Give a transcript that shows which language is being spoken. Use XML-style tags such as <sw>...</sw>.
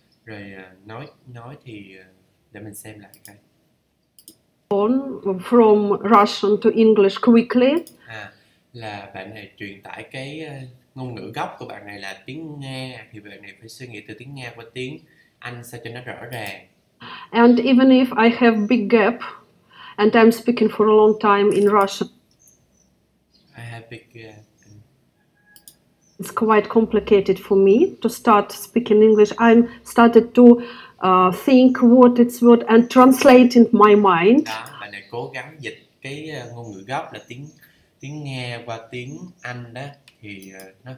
<vi>Rồi nói thì để mình xem lại cái</vi> <en>on from Russian to English quickly.</en> <vi>Là bạn này truyền tải cái ngôn ngữ gốc của bạn này là tiếng Nga, thì bạn này phải suy nghĩ từ tiếng Nga qua tiếng Anh sao cho nó rõ ràng.</vi> <en>And even if I have big gap and I'm speaking for a long time in Russian, I have big gap. It's quite complicated for me to start speaking English. I started to think what it's what and translate in my mind.</en> <vi>Đó, bạn này cố gắng dịch cái ngôn ngữ gốc là tiếng Nga qua tiếng Anh đó, thì nó</vi>